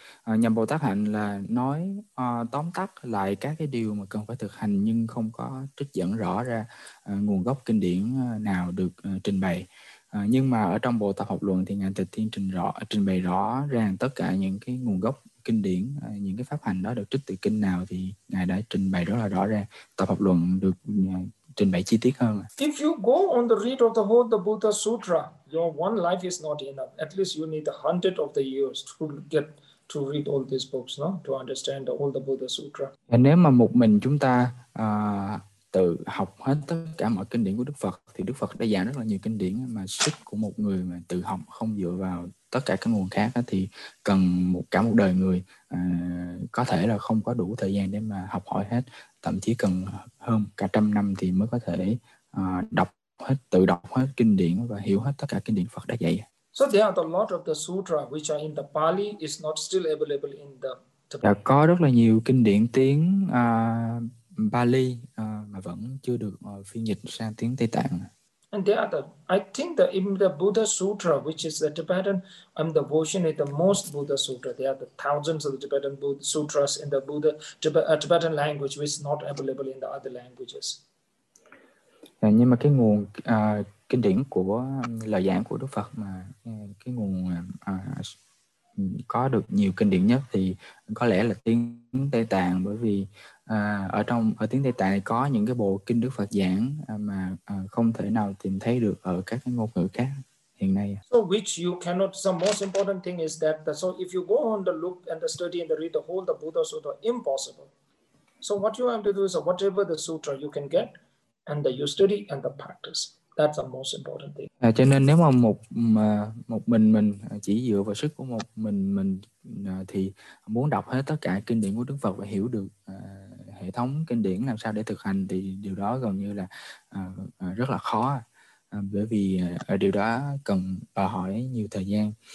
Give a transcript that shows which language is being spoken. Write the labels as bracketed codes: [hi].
[vi] Nhập bộ tác hạnh là nói tóm tắt lại các cái điều mà cần phải thực hành nhưng không có trích dẫn rõ ra nguồn gốc kinh điển nào được trình bày. Nhưng mà ở trong bộ tập học luận thì ngài Tịch Thiên trình bày rõ ràng tất cả những cái nguồn gốc kinh điển, những cái pháp hành đó được trích từ kinh nào thì ngài đã trình bày rất là rõ ràng. Tập học luận được trình bày chi tiết hơn. [en] If you go on the read of the whole the Buddha Sutra, your one life is not enough. At least you need 100 of the years to get to read all these books, no? To understand all the Buddha Sutra. [vi] Nếu mà một mình chúng ta tự học hết tất cả mọi kinh điển của Đức Phật thì Đức Phật đã giảng rất là nhiều kinh điển, mà sức của một người mà tự học không dựa vào tất cả các nguồn khác thì cần một cả một đời người có thể là không có đủ thời gian để mà học hỏi hết, thậm chí cần hơn cả trăm năm thì mới có thể tự đọc hết kinh điển và hiểu hết tất cả kinh điển Phật đã dạy. [en] So there are a lot of the sutra which are in the Pali is not still available in the Tibetan. [vi] Có rất là nhiều kinh điển tiếng Pali mà vẫn chưa được phiên dịch sang tiếng Tây Tạng. [en] And there are the, I think that in the Buddha Sutra, which is the Tibetan, the version is the most Buddha Sutra. There are the thousands of the Tibetan Buddha Sutras in the Buddha Tibetan language, which is not available in the other languages. [vi] Nhưng mà cái nguồn kinh điển của lời giảng của Đức Phật mà cái nguồn có được nhiều kinh điển nhất thì có lẽ là tiếng Tây Tạng, bởi vì ở tiếng Tây Tạng có những cái bộ kinh Đức Phật giảng mà không thể nào tìm thấy được ở các cái ngôn ngữ khác hiện nay. [en] So which you cannot, the most important thing is that the, so if you go on the look and the study and the read the whole the Buddha Sutra, impossible. So what you have to do is whatever the sutra you can get and the you study and the practice. That's the most important thing. [vi] Cho nên nếu mà một mình chỉ dựa vào sức của một mình thì muốn đọc hết tất cả kinh điển của Đức Phật và hiểu được hệ thống kinh điển làm sao để thực hành thì điều đó gần như là rất là khó, bởi vì điều đó cần đòi hỏi nhiều thời gian.